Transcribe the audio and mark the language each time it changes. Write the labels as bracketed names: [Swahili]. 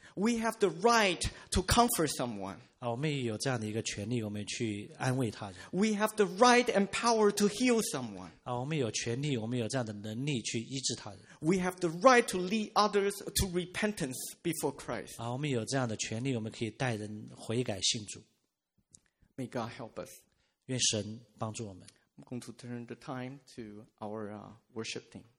[English] We have the right to comfort someone. [Chinese] 我们也有这样的一个权利，我们去安慰他人。 [English] We have the right and power to heal someone. [Chinese] 我们有权利，我们有这样的能力去医治他人。 [English] We have the right to lead others to repentance before Christ. [Chinese] 我们有这样的权利，我们可以带人悔改信主。 [English] May God help us. [Chinese] 愿神帮助我们。 [English] I'm going to turn the time to our worship team.